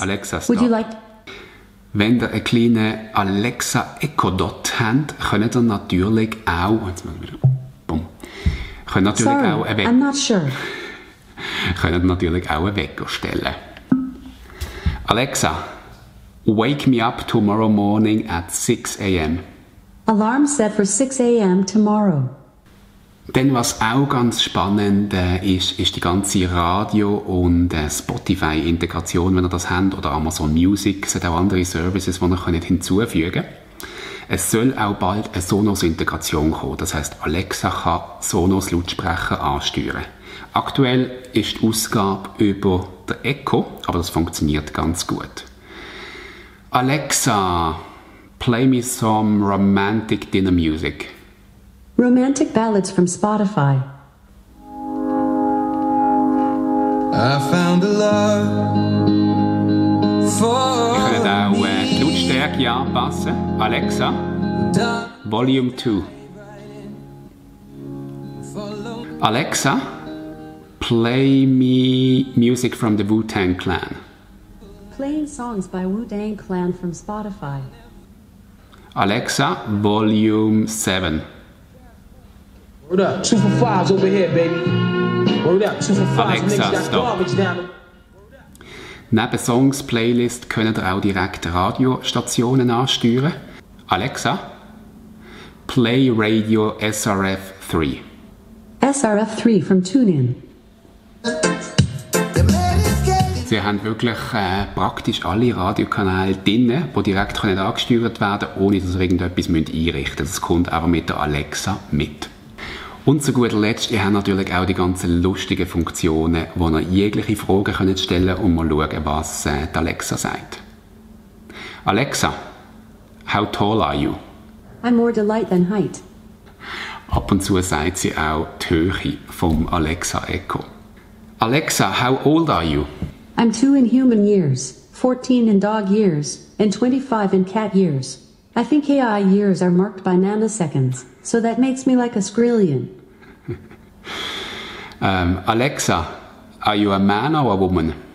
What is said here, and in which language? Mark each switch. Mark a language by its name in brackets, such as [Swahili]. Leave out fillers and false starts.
[English] Alexa, stop. Would you like? [German] Wenn ihr eine kleine Alexa Echo Dot habt, könnt ihr natürlich auch. Jetzt mal wieder. Boom. Könnt natürlich [English] Sorry, [German] auch erwähnen. [English] I'm not sure. [German] Könnt natürlich auch einen Wecker stellen. [English] Alexa, wake me up tomorrow morning at 6 a.m. Alarm set for 6 a.m. tomorrow. [German] Denn was auch ganz spannend ist, ist die ganze Radio- und Spotify-Integration, wenn ihr das habt, oder Amazon Music, es hat auch andere Services, die ihr hinzufügen könnt. Es soll auch bald eine Sonos-Integration kommen, das heisst, Alexa kann Sonos-Lautsprecher ansteuern. Aktuell ist die Ausgabe über der Echo, aber das funktioniert ganz gut. [English] Alexa, play me some romantic dinner music. Romantic ballads from Spotify. I found a love for me. [German] Ich könnte auch die Lautstärke anpassen. [English] Alexa, volume 2. Alexa, play me music from the Wu-Tang Clan. Playing songs by Wu-Tang Clan from Spotify. Alexa, volume 7. Word up, 2 for 5's over here, baby. Word up, 2 for 5's. Alexa, makes stop. [German] Neben Songs Playlist könnt ihr auch direkt Radiostationen ansteuern. [English] Alexa, play radio SRF 3. SRF 3 from TuneIn. [German] Sie haben wirklich praktisch alle Radiokanäle drin, die direkt angesteuert werden können, ohne dass ihr irgendetwas einrichten müsst. Das kommt aber mit der Alexa mit. Und zu guter Letzt, ihr habt natürlich auch die ganzen lustigen Funktionen, wo ihr jegliche Fragen könnt stellen und mal schauen, was die Alexa sagt. [English] Alexa, how tall are you? I'm more delight than height. [German] Ab und zu sagt sie auch die Höhe vom Alexa Echo. [English] Alexa, how old are you? I'm 2 in human years, 14 in dog years, and 25 in cat years. I think AI years are marked by nanoseconds, so that makes me like a skrillion. Alexa, are you a man or a woman?